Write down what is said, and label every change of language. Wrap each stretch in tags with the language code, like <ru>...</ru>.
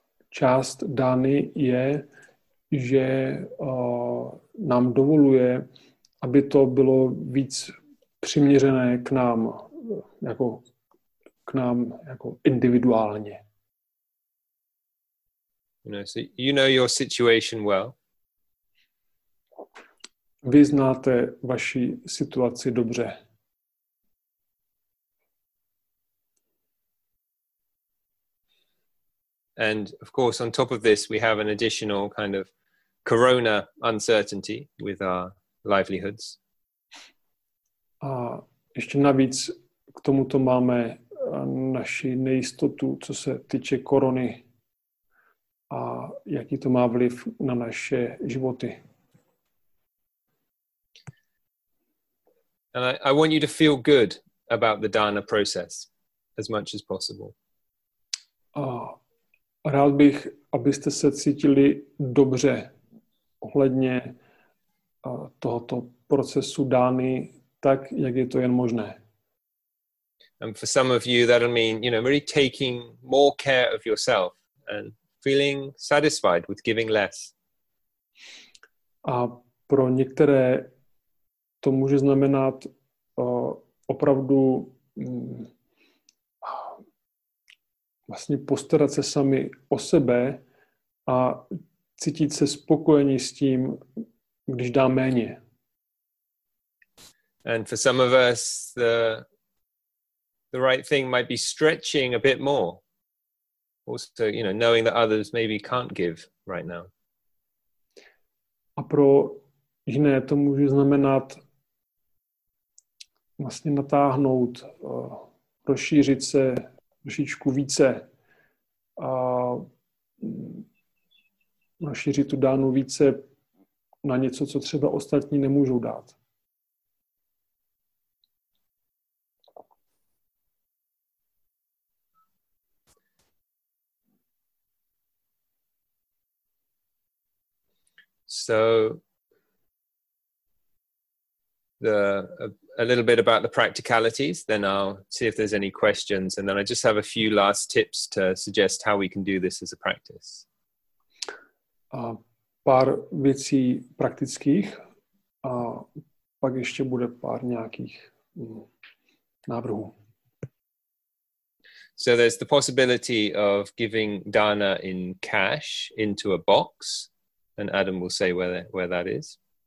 <cs>Část dány je, že nám dovoluje, aby to bylo víc přiměřené k nám, jako k nám jako individuálně.</cs> <en>You know, so you know your situation well.</en> <cs>Vy znáte vaši situaci dobře.</cs> <en>And of course, on top of this, we have an additional kind of corona uncertainty with our livelihoods.</en> <cs>A ještě navíc k tomuto máme naši nejistotu, co se týče korony a jaký to má vliv na naše životy.</cs> <en>And I want you to feel good about the dana process as much as possible.</en> <cs>Rád bych, abyste se cítili dobře ohledně tohoto procesu dány tak, jak je to jen možné.</cs> <en>And for some of you that'll mean, you know, really taking more care of yourself and feeling satisfied with giving less.</en> <cs>A pro některé to může znamenat opravdu vlastně postarat se sami o sebe a cítit se spokojení s tím, když dá méně.</cs> <en>And for some of us, the right thing might be stretching a bit more. Also, you know, knowing that others maybe can't give right now.</en> <cs>A pro jiné to může znamenat vlastně natáhnout, rozšířit se trošičku více a rozšířit tu dánu více na něco, co třeba ostatní nemůžou dát.</cs> <en>So a little bit about the practicalities, then I'll see if there's any questions, and then I just have a few last tips to suggest how we can do this as a practice.</en> <cs>Pár věcí praktických a pak ještě bude pár nějakých návrhu.</cs> <en>So there's the possibility of giving dana in cash into a box, and Adam will say where that is.</en>